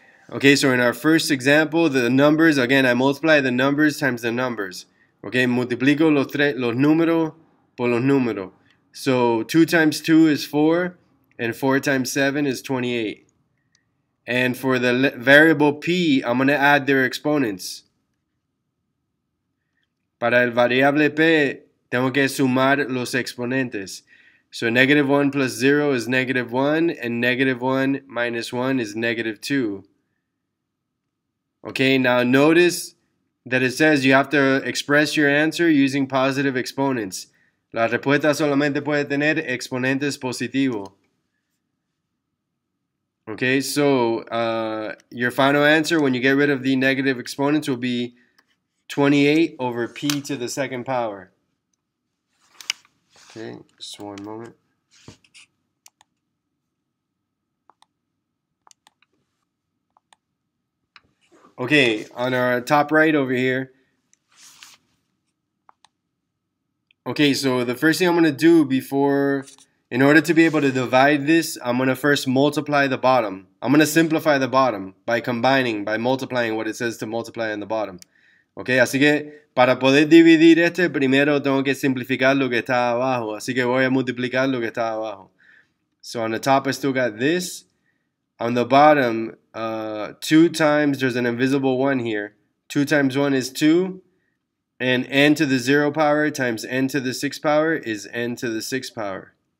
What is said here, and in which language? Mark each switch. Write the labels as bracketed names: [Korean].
[English] Okay, so in our first example, the numbers, again, I multiply the numbers times the numbers. [Spanish] Okay, multiplico los números por los números. [English] So 2 times 2 is 4, and 4 times 7 is 28. And for the variable p, I'm going to add their exponents. [Spanish] Para el variable p, tengo que sumar los exponentes. [English] So negative 1 plus 0 is negative 1, and negative 1 minus 1 is negative 2. Okay, now notice that it says you have to express your answer using positive exponents. [Spanish] La respuesta solamente puede tener exponentes positivos. [English] Okay, so your final answer when you get rid of the negative exponents will be 28 over p to the second power. Okay, just one moment. Okay, on our top right over here. Okay, so the first thing I'm going to do before, in order to be able to divide this, I'm going to first multiply the bottom. I'm going to simplify the bottom by combining, by multiplying what it says to multiply on the bottom. [Spanish] Okay, así que para poder dividir este, primero tengo que simplificar lo que está abajo. Así que voy a multiplicar lo que está abajo. [English] So on the top, I still got this. On the bottom, 2 times, there's an invisible 1 here. 2 times 1 is 2. And n to the 0 power times n to the 6 power is n to the 6 power.